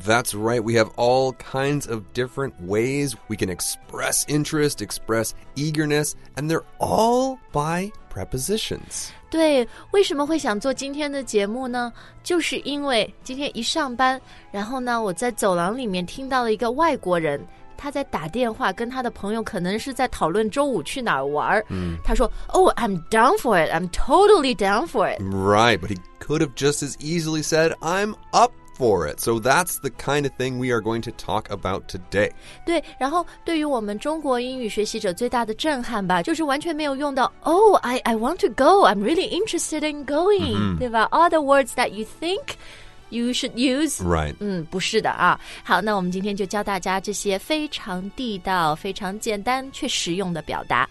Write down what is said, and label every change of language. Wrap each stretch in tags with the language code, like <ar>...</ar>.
<en>That's right. We have all kinds of different ways we can express interest, express eagerness, and they're all by prepositions.</en> <zh>对，为什么会想做今天的节目呢？就是因为今天一上班，然后呢，我在走廊里面听到了一个外国人，他在打电话跟他的朋友，可能是在讨论周五去哪儿玩。他说</zh> <en>,Oh, I'm down for it. I'm totally down for it. Right, but he could have just as easily said, I'm up for it. So that's the kind of thing we are going to talk about today.</en> <zh>对，然后对于我们中国英语学习者最大的震撼吧，就是完全没有用到</zh> <en>Oh, I want to go. I'm really interested in going.、 Mm-hmm.</en> <zh>对吧</zh> <en>?All the words that you think,You should use. Right.</en> <zh>不是的啊。好，那我们今天就教大家这些非常地道、非常简单却实用的表达。</zh>